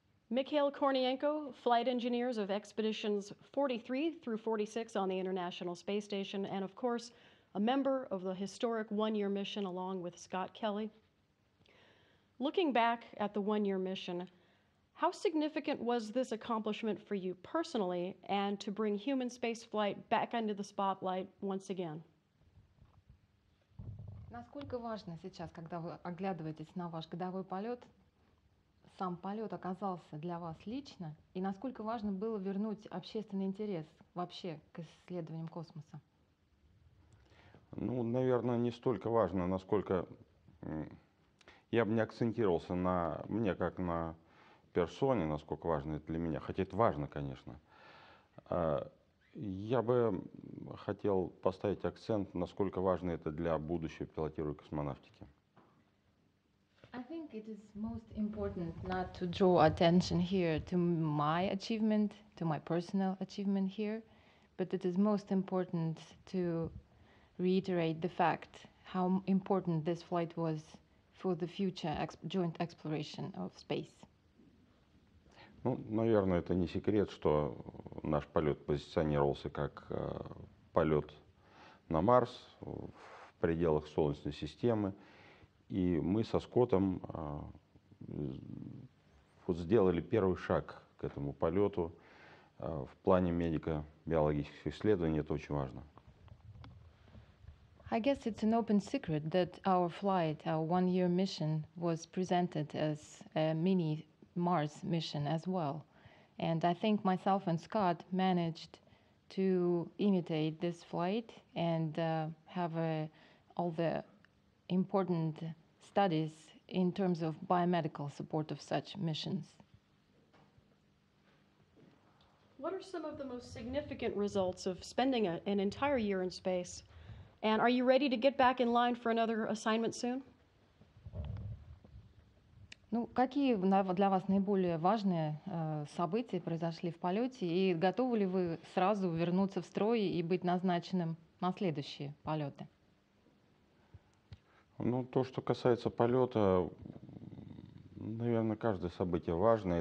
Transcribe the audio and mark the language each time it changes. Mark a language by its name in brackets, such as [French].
[English] Mikhail Kornienko, flight engineers of expeditions 43 through 46 on the International Space Station, and of course, a member of the historic one-year mission along with Scott Kelly. Looking back at the one-year mission, how significant was this accomplishment for you personally and to bring human spaceflight back into the spotlight once again? [Russian] Насколько важно сейчас, когда вы оглядываетесь на ваш годовой полет, сам полет оказался для вас лично, и насколько важно было вернуть общественный интерес вообще к исследованиям космоса? Ну, наверное, не столько важно, насколько я бы не акцентировался на мне как на персоне, насколько важно это для меня, хотя это важно, конечно. Я бы хотел поставить акцент, насколько важно это для будущего пилотирования космонавтики. [English] I think it is most important not to draw attention here to my achievement, to my personal achievement here, but it is most important to reiterate the fact how important this flight was for the future joint exploration of space. [Russian] Ну, наверное, это не секрет, что наш полет позиционировался как полет на Марс в пределах Солнечной системы. И мы со Скоттом вот сделали первый шаг к этому полету в плане медико-биологических исследований. Это очень важно. [English] I guess it's an open secret that our flight, our one-year mission, was presented as a mini Mars mission as well. And I think myself and Scott managed to imitate this flight and have all the important studies in terms of biomedical support of such missions. What are some of the most significant results of spending an entire year in space? And are you ready to get back in line for another assignment soon? [Russian] Ну, какие для вас наиболее важные события произошли в полете, и готовы ли вы сразу вернуться в строй и быть назначенным на следующие полеты? Ну, то, что касается полета, наверное, каждое событие важное.